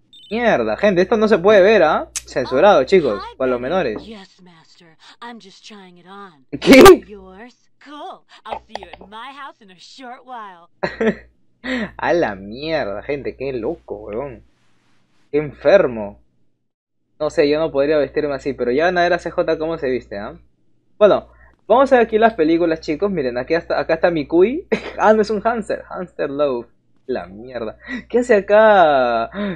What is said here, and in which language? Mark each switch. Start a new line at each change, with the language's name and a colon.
Spanish: Mierda, gente, esto no se puede ver, ¿ah? Censurado, chicos, para los menores.
English: Yes, master. I'm just trying it on.
Spanish: ¿Qué?
English: Yours? Cool. I'll see you at my house in a short while.
Spanish: A la mierda, gente, qué loco, weón. Qué enfermo. No sé, yo no podría vestirme así, pero ya van a ver a CJ cómo se viste, ¿ah? ¿Eh? Bueno, vamos a ver aquí las películas, chicos. Miren, aquí hasta, acá está Mikui. Ah, no, es un hamster. Hamster Love. La mierda. ¿Qué hace acá?